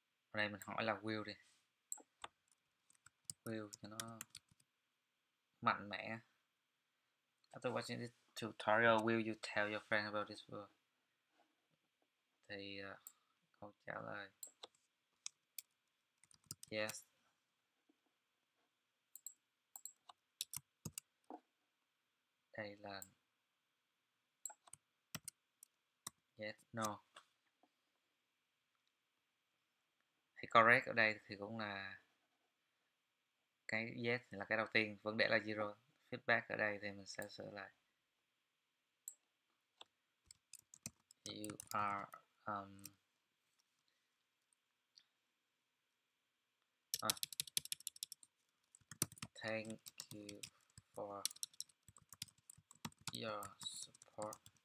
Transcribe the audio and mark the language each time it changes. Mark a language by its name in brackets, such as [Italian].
[Vietnamese] Ở đây mình hỏi là will đi, will cho nó mạnh mẽ. [English] After watching this tutorial, will you tell your friend about this rule? [Vietnamese] Thì câu trả lời yes. Đây là yes, no. Thì correct ở đây thì cũng là cái yes là cái đầu tiên, vấn đề là zero. Feedback ở đây thì mình sẽ sửa lại. [English] You are thank you for your support.